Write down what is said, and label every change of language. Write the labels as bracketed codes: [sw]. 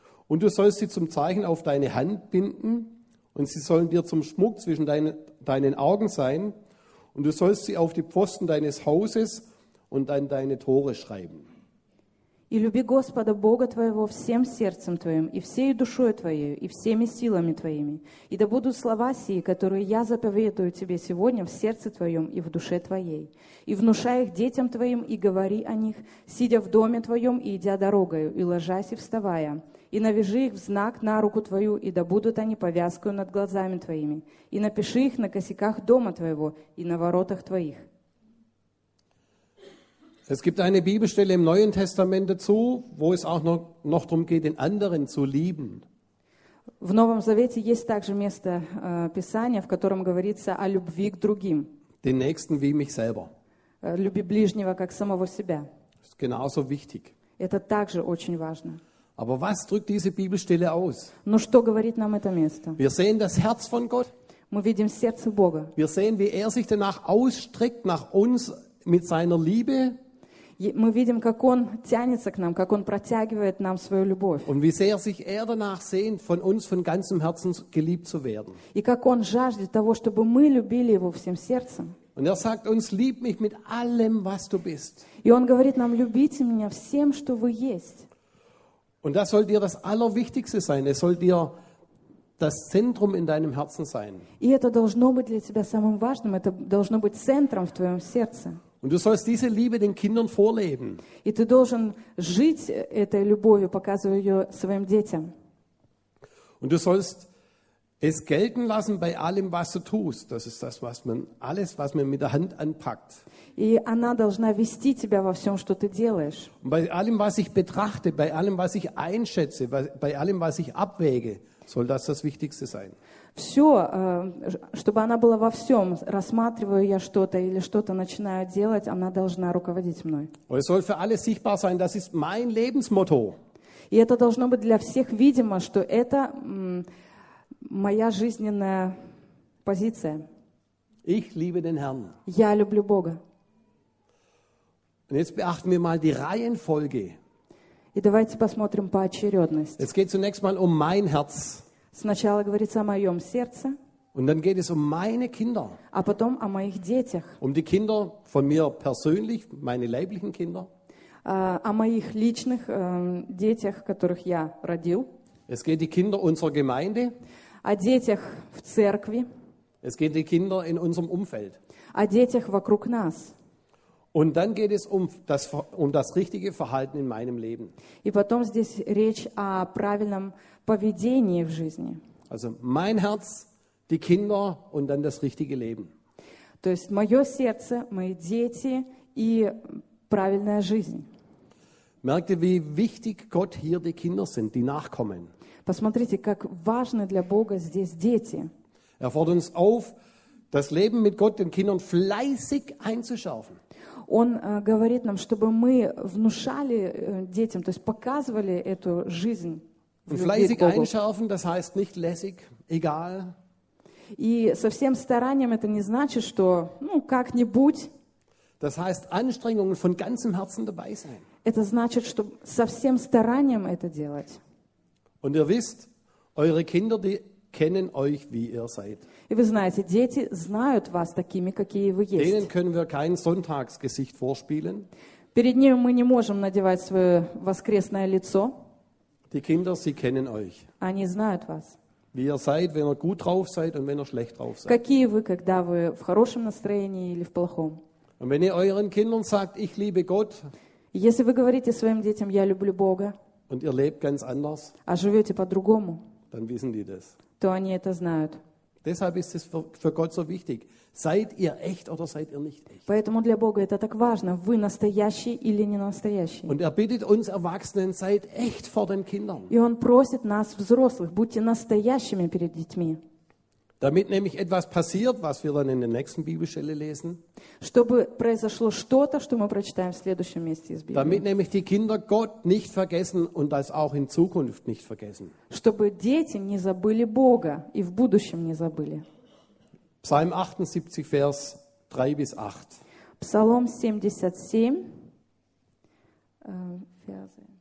[de] Und du sollst sie zum Zeichen auf deine Hand binden und sie sollen dir zum Schmuck zwischen deinen Augen sein. Und du sollst sie auf die Pfosten deines Hauses und an deine Tore schreiben. [ru] И люби Господа Бога твоего всем сердцем твоим и всей душой твоей и всеми силами твоими. И да будут слова сии, которые я заповедую тебе сегодня в сердце твоем и в душе твоей. И внушай их детям твоим и говори о них, сидя в доме твоем и идя дорогою, и ложась и вставая. И навяжи их в знак на руку твою, и да будут они повязкою над глазами твоими. И напиши их на косяках дома твоего и на воротах твоих. [de] Es gibt eine Bibelstelle im Neuen Testament dazu, wo es auch noch darum geht, den anderen zu lieben. [ru] В Новом Завете есть также место Писания, в котором говорится о любви к другим. [de] Den Nächsten wie mich selber. [ru] Люби ближнего как самого себя. [de] Ist genauso wichtig. [ru] Это также очень важно. [de] Aber was drückt diese Bibelstelle aus? [ru] Но что говорит нам это место? [de] Wir sehen das Herz von Gott. [ru] Мы видим сердце Бога. [de] Wir sehen, wie er sich danach ausstreckt nach uns mit seiner Liebe. [ru] Мы видим, как он тянется к нам, как он протягивает нам свою любовь. [de] Und wie sehr sich er danach sehnt, von uns von ganzem Herzen geliebt zu werden. [ru] И как он жаждет того, чтобы мы любили его всем сердцем. [de] Und er sagt uns, lieb mich mit allem, was du bist. [ru] И он говорит нам, любите меня всем, что вы есть. [de] Und das soll dir das Allerwichtigste sein. Es soll dir das Zentrum in deinem Herzen sein. [ru] И это должно быть для тебя самым важным. Это должно быть центром в твоем сердце. [de] Und du sollst diese Liebe den Kindern vorleben. [ru] И ты должен жить этой любовью, показывая ее своим детям. [de] Und du sollst es gelten lassen bei allem, was du tust. Das ist das, was man alles, was man mit der Hand anpackt. [ru] И она должна вести тебя во всем, что ты делаешь. [de] Und bei allem, was ich betrachte, bei allem, was ich einschätze, bei allem, was ich abwäge, soll das das Wichtigste sein. [ru] Все, чтобы она была во всем, рассматриваю я что-то или что-то начинаю делать, она должна руководить мной. [de] Es soll für alle sichtbar sein, das ist mein Lebensmotto. [ru] И это должно быть для всех видимо, что это моя жизненная позиция. [de] Ich liebe den Herrn. [ru] Я люблю Бога. [de] Und jetzt beachten wir mal die Reihenfolge. [ru] И давайте посмотрим по очередности. [de] Es geht zunächst mal um mein Herz. [ru] Сначала говорится о моем сердце. [de] Und dann geht es um meine Kinder. [ru] А потом о моих детях. [de] Um die Kinder von mir persönlich, meine leiblichen Kinder. [ru] О моих личных детях, которых я родил. [de] Es geht die Kinder unserer Gemeinde. [ru] О детях в церкви. [de] Es geht die Kinder in unserem Umfeld. [ru] О детях вокруг нас. [de] Und dann geht es um das richtige Verhalten in meinem Leben. [ru] И потом здесь речь о правильном поведении в жизни. [de] Also mein Herz, die Kinder und dann das richtige Leben. [ru] То есть мое сердце, мои дети и правильная жизнь. [de] Merkt ihr, wie wichtig Gott hier die Kinder sind, die Nachkommen. [ru] Посмотрите, как важны для Бога здесь дети. [de] Er fordert uns auf, das Leben mit Gott, den Kindern fleißig einzuschärfen. [ru] Он говорит нам, чтобы мы внушали детям, то есть показывали эту жизнь. [de] Und fleißig einschärfen, das heißt nicht lässig, egal. [ru] И со всем старанием это не значит, что, ну, как-нибудь. [de] Das heißt Anstrengungen von ganzem Herzen dabei sein. [ru] Это значит, что со всем старанием это делать. [de] Und ihr wisst, eure Kinder, die kennen euch, wie ihr seid. [ru] И вы знаете, дети знают вас такими, какие вы есть. [de] Denen können wir kein Sonntagsgesicht vorspielen. [ru] Перед ними мы не можем надевать свое воскресное лицо. [de] Die Kinder, sie kennen euch. [ru] Они знают вас. [de] Wie ihr seid, wenn ihr gut drauf seid und wenn ihr schlecht drauf seid. [ru] Какие вы, когда вы в хорошем настроении или в плохом. [de] Und wenn ihr euren Kindern sagt, ich liebe Gott. [ru] Если вы говорите своим детям, я люблю Бога. [de] Und ihr lebt ganz anders. [ru] А живете по-другому. [de] Dann wissen die das. [ru] То они это знают. [de] Deshalb ist es für Gott so wichtig. Seid ihr echt oder seid ihr nicht echt? [ru] Поэтому для Бога это так важно. Вы настоящие или не настоящие? [de] Und er bittet uns Erwachsenen, seid echt vor den Kindern. [ru] И он просит нас взрослых, будьте настоящими перед детьми. [de] Damit nämlich etwas passiert, was wir dann in der nächsten Bibelstelle lesen. [ru] Чтобы произошло что-то, что мы прочитаем в следующем месте из Библии. [de] Damit nämlich die Kinder Gott nicht vergessen und das auch in Zukunft nicht vergessen. [ru] Чтобы дети не забыли Бога и в будущем не забыли. [de] Psalm 78, Vers 3 bis 8. [ru] Псалом 77, [de] Verse